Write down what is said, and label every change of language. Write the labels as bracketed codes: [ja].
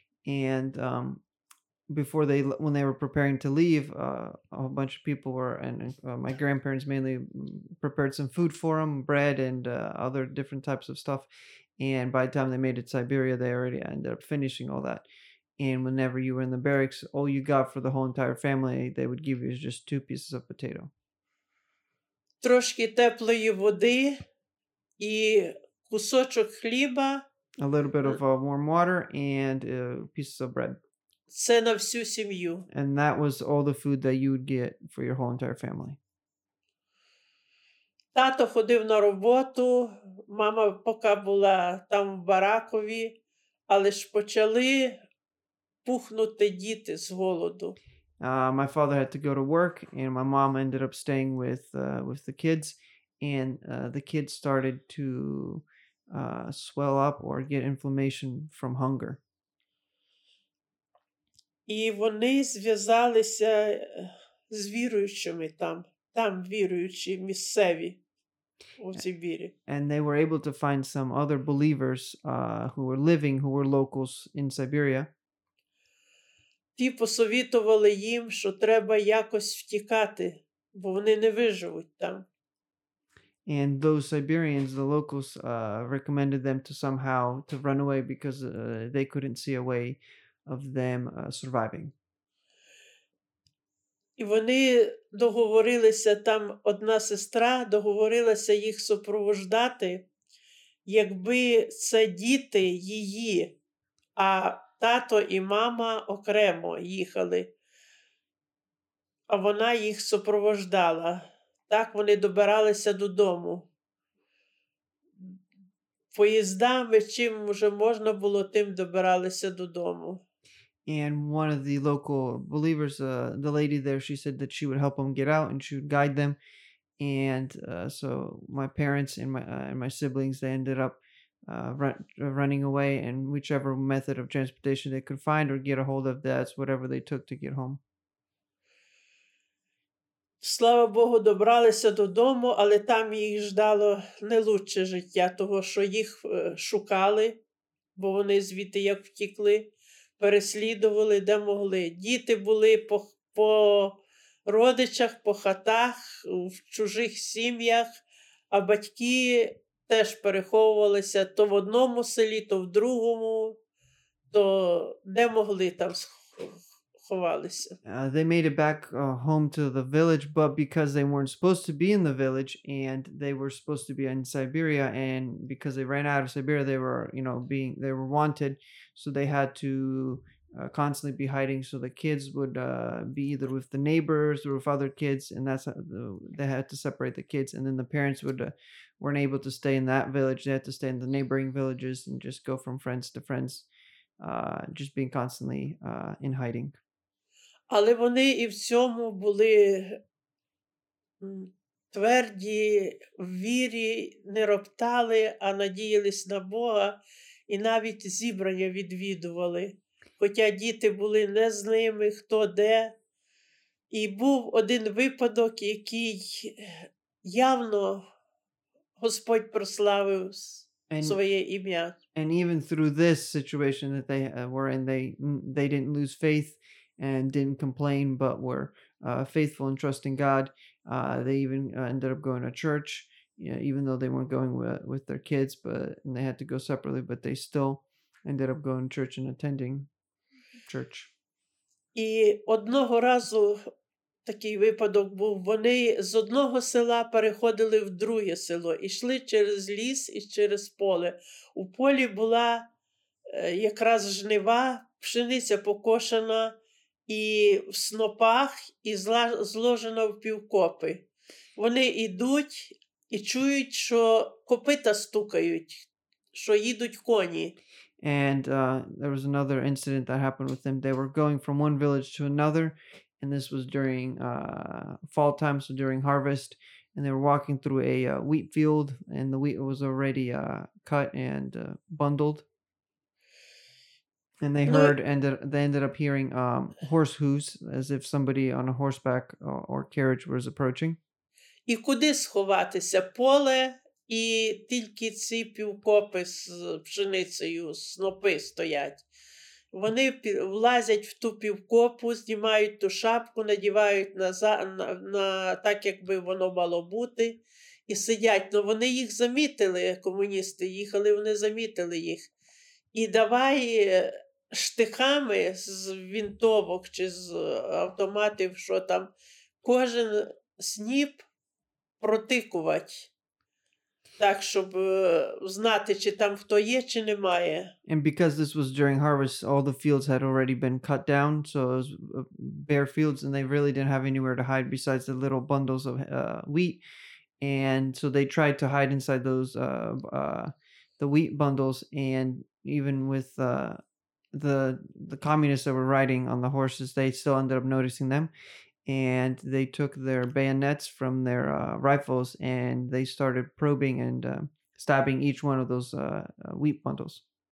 [en] And when they were preparing to leave, a bunch of people were, and my grandparents mainly, prepared some food for them, bread and other different types of stuff. And by the time they made it to Siberia, they already ended up finishing all that. And whenever you were in the barracks, all you got for the whole entire family, they would give you just 2 pieces of potato. [uk] Трошки теплої води і кусочок хліба. [en] A little bit of warm water and pieces of bread. [uk] Це на всю сім'ю. [en] And that was all the food that you would get for your whole entire family. [uk] Тато ходив на роботу, мама поки була там в баракові, але ж почали пухнути діти з голоду. [en] My father had to go to work, and my mom ended up staying with the kids, and the kids started to swell up or get inflammation from hunger. [uk] І вони зв'язалися з віруючими там, там віруючі місцеві. [en] And they were able to find some other believers who were living, who were locals in Siberia. [uk] Ті посовітували їм, що треба якось втікати, бо вони не виживуть там. [en] And those Siberians, the locals, recommended them to somehow to run away because they couldn't see a way of them surviving. [uk] І вони договорилися, там одна сестра договорилася їх супроводжати, якби це діти її, а тато і мама окремо їхали, а вона їх супроводжала. Так вони добиралися додому. Поїздами, чим вже можна було, тим добиралися додому. [en] And one of the local believers, the lady there, she said that she would help them get out and she would guide them. And so my parents and my siblings, they ended up running away. And whichever method of transportation they could find or get a hold of, that's whatever they took to get home. [uk] Слава Богу, добралися додому, але там їх ждало не лучше життя, того, що їх шукали, бо вони звідти як втікли. Переслідували, де могли. Діти були по родичах, по хатах, в чужих сім'ях, а батьки теж переховувалися то в одному селі, то в другому, то де могли, там ховалися. [en] They made it back home to the village, but because they weren't supposed to be in the village, and they were supposed to be in Siberia, and because they ran out of Siberia, they were, you know, being, they were wanted, so they had to constantly be hiding, so the kids would be either with the neighbors or with other kids, and that's they had to separate the kids, and then the parents would weren't able to stay in that village, they had to stay in the neighboring villages and just go from friends to friends, just being constantly in hiding. [uk] Але вони і в цьому були тверді в вірі, не роптали, а надіялись на Бога і навіть зібрання відвідували. Хоча діти були не з ними, хто де. І був один випадок, який явно Господь прославив своє ім'я. [en] And even through this situation that they were in, they didn't lose faith. And didn't complain, but were faithful and trusting God. They even ended up going to church, you know, even though they weren't going with their kids, but and they had to go separately, but they still ended up going to church and attending church. [uk] І одного разу такий випадок був. Вони з одного села переходили в друге село, ішли через ліс і через поле. У полі була якраз жнива, пшениця покошена. І в снопах, і зложено в півкопи. Вони йдуть і чують, що копита стукають, що їдуть коні. [en] And there was another incident that happened with them. They were going from one village to another, and this was during fall time, so during harvest, and they were walking through a wheat field, and the wheat was already cut and bundled. And they heard, ended up hearing horse hooves, as if somebody on a horseback or carriage was approaching. [uk] І куди сховатися? Поле і тільки ці півкопи з пшеницею, снопи стоять. Вони влазять в ту півкопу, знімають ту шапку, надівають на так, якби воно мало бути, і сидять. Но вони їх замітили, комуністи їхали, вони замітили їх. І давай штихами з винтовок чи з автоматів, що там, кожен сніп протикувати, так, щоб знати, чи там хто є, чи немає. [en] And because this was during harvest, all the fields had already been cut down, so it was bare fields, and they really didn't have anywhere to hide besides the little bundles of wheat. And so they tried to hide inside those the wheat bundles, and even with the communists that were riding on the horses, they still ended up noticing them, and they took their bayonets from their rifles, and they started probing and stabbing each one of those wheat bundles.